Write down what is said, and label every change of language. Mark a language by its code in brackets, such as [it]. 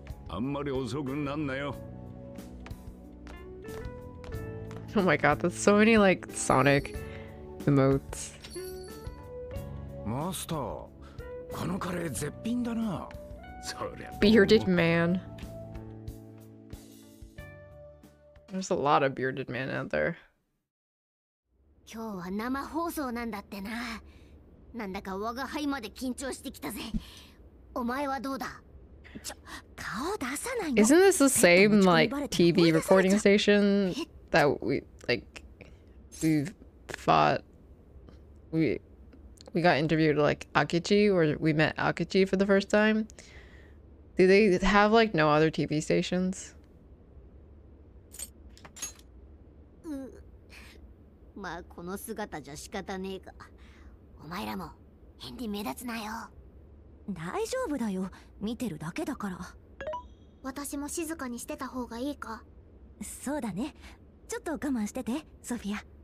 [ja] あんまり遅くなんなよ。 [en] Oh my god, that's so many like Sonic emotes. [ja] マスター、このカレー絶品だな。そりゃ。 [en] Bearded man. There's a lot of bearded man out there. [ja] 今日は生放送なんだってな。なんだか我が輩まで緊張してきたぜ。お前はどうだ？ [en] Isn't this the same like TV recording station that we like we fought? We got interviewed like Akichi, or we met Akichi for the first time. Do they have like no other TV stations? [ja] まあこの姿じゃ仕方ねえか。お前らも変に目立つなよ。大丈夫だよ、見てるだけだから。私も静かにしてた方がいいか。そうだね、ちょっと我慢してて、ソフィア。